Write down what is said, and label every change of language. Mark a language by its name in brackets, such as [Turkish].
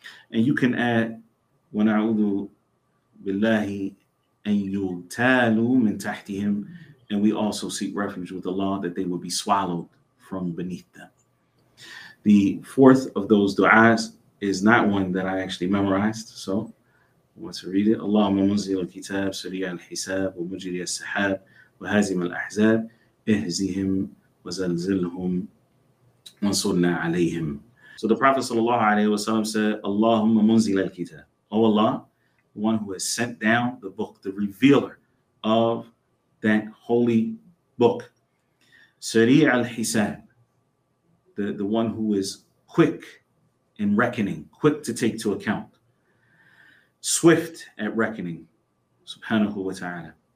[English] And you can add, [Arabic] وَنَعُوذُ بِاللَّهِ أَن يُغْتَالُوا مِن تَحْتِهِمْ, [English] and we also seek refuge with Allah that they will be swallowed from beneath them. The fourth of those du'as is not one that I actually memorized, so I want to read it. [Arabic] اللهم منزل الكتاب سريع الحساب ومجري السحاب وهازم الأحزاب اهزهم وزلزلهم وانصرنا عليهم. [English] So the Prophet sallallahu alaihi wasallam said, Allahumma munzil al-kitab. Oh Allah, the one who has sent down the book, the revealer of that holy book. Sari al-hisab, the one who is quick in reckoning, quick to take to account, swift at reckoning, subhanahu wa ta'ala.